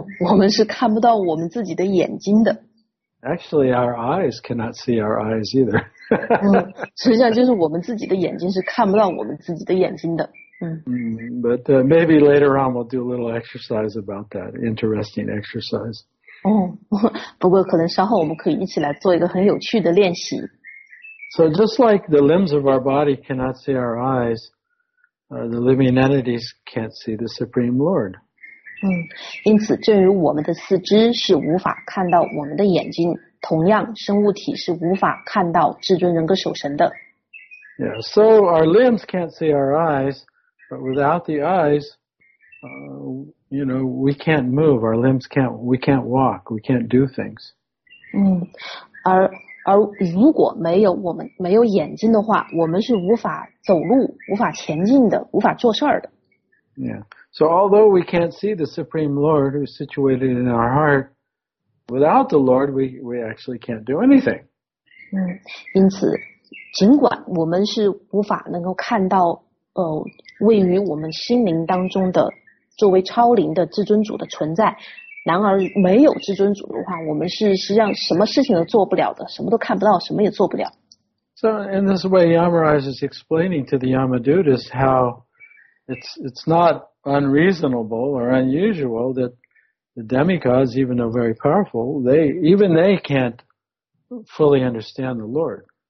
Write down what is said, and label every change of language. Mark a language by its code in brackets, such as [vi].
[zh] 我们是看不到我们自己的眼睛的。 [en] Actually, our eyes cannot see our eyes either. [zh] 实际上就是我们自己的眼睛是看不到我们自己的眼睛的。 [en] But maybe later on we'll do a little exercise about that. Interesting exercise. [zh] 不过可能稍后我们可以一起来做一个很有趣的练习。 [en] So just like the limbs of our body cannot see our eyes, the living entities can't see the Supreme Lord. [zh] 因此正如我们的四肢是无法看到我们的眼睛，同样生物体是无法看到至尊人格守神的。 [en] Yeah, so our limbs can't see our eyes, but without the eyes, you know, we can't move, our limbs can't, we can't walk, we can't do things. [zh] 而如果没有我们，没有眼睛的话，我们是无法走路，无法前进的，无法做事的。 Yeah. [en] So although we can't see the Supreme Lord who's situated in our heart, without the Lord, we actually can't do anything. [zh] 因此，尽管我们是无法能够看到位于我们心灵当中的作为超灵的至尊主的存在，然而没有至尊主的话，我们是实际上什么事情都做不了的，什么都看不到，什么也做不了。 [en] So in this way, Yamaraj is explaining to the Yamadutas how It's not unreasonable or unusual that the demigods, even though very powerful, they can't fully understand the Lord.